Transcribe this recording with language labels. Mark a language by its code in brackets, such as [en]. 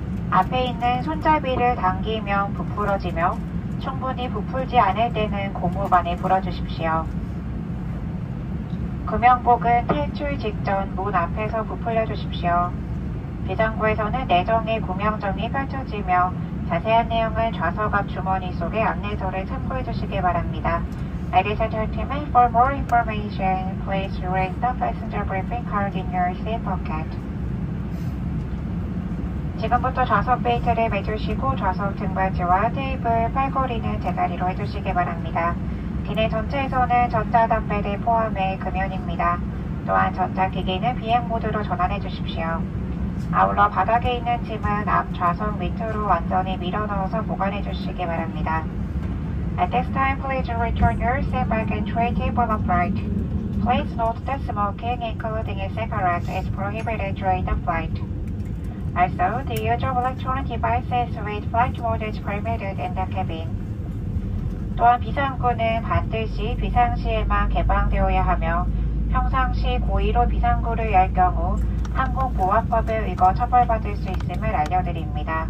[ko] 앞에 있는 손잡이를 당기면 부풀어지며 충분히 부풀지 않을 때는 고무반에 불어주십시오. 구명복은 탈출 직전 문 앞에서 부풀려주십시오. 비상구에서는 내정의 구명점이 펼쳐지며 자세한 내용은 좌석 앞 주머니 속의 안내서를 참고해주시기 바랍니다. [en] Ladies and gentlemen, for more information, please read the passenger briefing card in your seat pocket. [ko] 지금부터 좌석 벨트를 매주시고 좌석 등받이와 테이블, 팔걸이는 제자리로 해주시기 바랍니다. 기내 전체에서는 전자담배를 포함해 금연입니다. 또한 전자기기는 비행모드로 전환해주십시오. 아울러 바닥에 있는 짐은 앞 좌석 밑으로 완전히 밀어넣어서 보관해주시기 바랍니다. [en] At this time, please return your seat back and tray table upright. Please note that smoking, including cigarettes, is prohibited during the flight. Also, the use of electronic devices with flight mode is permitted in the cabin. [ko] 또한 비상구는 반드시 비상시에만 개방되어야 하며 평상시 고의로 비상구를 열 경우 항공보안법에 의거 처벌받을 수 있음을 알려드립니다.